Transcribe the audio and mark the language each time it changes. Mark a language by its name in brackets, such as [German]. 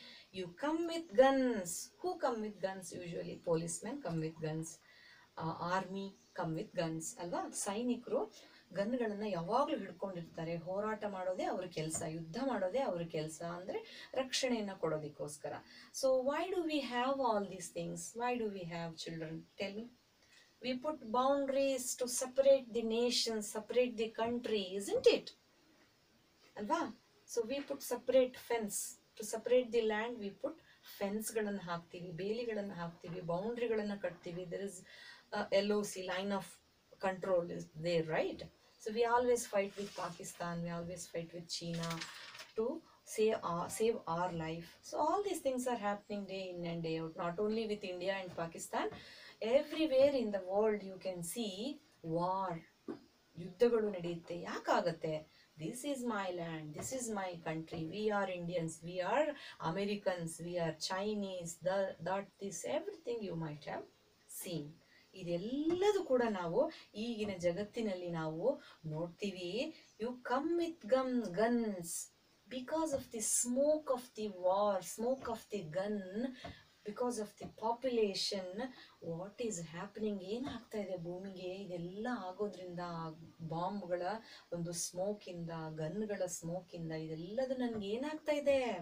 [English] You come with guns. Who come with guns? Usually policemen come with guns. Army come with guns, [Kannada] ಅಲ್ವಾ? ಸೈನಿಕರು ಗನ್ಗಳನ್ನು ಯಾವಾಗಲೂ ಹಿಡ್ಕೊಂಡಿರ್ತಾರೆ. ಹೋರಾಟ ಮಾಡೋದೇ ಅವ್ರ ಕೆಲಸ, ಯುದ್ಧ ಮಾಡೋದೇ ಅವ್ರ ಕೆಲಸ, ಅಂದರೆ ರಕ್ಷಣೆಯನ್ನು ಕೊಡೋದಕ್ಕೋಸ್ಕರ. [English] So why do we have all these things? Why do we have children? Tell me. We put boundaries to separate the nation, separate the country, isn't it? [Kannada] ಅಲ್ವಾ? [English] So we put separate fence to separate the land. We put ಫೆನ್ಸ್ಗಳನ್ನು [Kannada] ಹಾಕ್ತೀವಿ, ಬೇಲಿಗಳನ್ನು ಹಾಕ್ತೀವಿ, ಬೌಂಡ್ರಿಗಳನ್ನು ಕಟ್ತೀವಿ. [English] There is L O C, line of control is there, right? So we always fight with Pakistan, we always fight with China to save our life. So all these things are happening day in and day out, not only with India and Pakistan, everywhere in the world you can see war, [Kannada] ಯುದ್ಧಗಳು ನಡೆಯುತ್ತೆ. ಯಾಕಾಗತ್ತೆ? [English] This is my land, this is my country, we are Indians, we are Americans, we are Chinese, that this everything you might have seen. [Kannada] ಇದೆಲ್ಲದೂ ಕೂಡ ನಾವು ಈಗಿನ ಜಗತ್ತಿನಲ್ಲಿ ನಾವು ನೋಡ್ತೀವಿ. [English] You come with guns because of the smoke of the war, smoke of the gun, because of the population. What is happening? [Kannada] ಏನಾಗ್ತಾ ಇದೆ ಭೂಮಿಗೆ? ಇದೆಲ್ಲ ಆಗೋದ್ರಿಂದ, ಬಾಂಬ್ಗಳ ಒಂದು ಸ್ಮೋಕಿಂದ, ಗನ್ಗಳ ಸ್ಮೋಕಿಂದ, ಇದೆಲ್ಲದು ನನಗೆ ಏನಾಗ್ತಾ ಇದೆ?